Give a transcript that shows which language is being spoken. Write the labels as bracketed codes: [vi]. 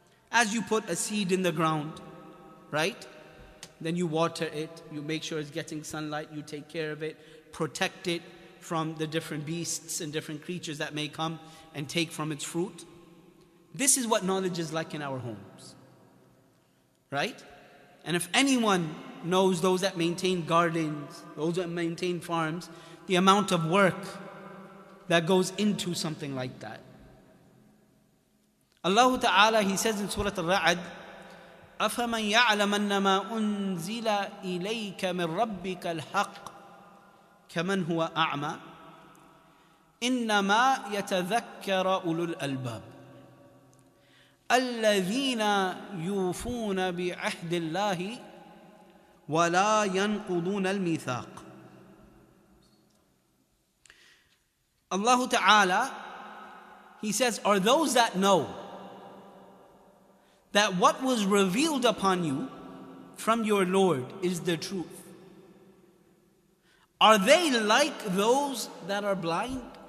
[en] As you put a seed in the ground, right? Then you water it, you make sure it's getting sunlight, you take care of it, protect it from the different beasts and different creatures that may come and take from its fruit. This is what knowledge is like in our homes. Right? And if anyone knows those that maintain gardens, those that maintain farms, the amount of work that goes into something like that. Allah Ta'ala, He says in Surah Al-Ra'd, [ar] أَفَمَنْ يَعْلَمَ أَنَّمَا أُنزِلَ إِلَيْكَ مِنْ رَبِّكَ الْحَقِّ كَمَنْ هُوَ أَعْمَى إِنَّمَا يَتَذَكَّرَ أُولُو الْأَلْبَابِ الذين يوفون بعهد الله ولا ينقضون الميثاق. [en] Allah Ta'ala, He says, are those that know that what was revealed upon you from your Lord is the truth, are they like those that are blind?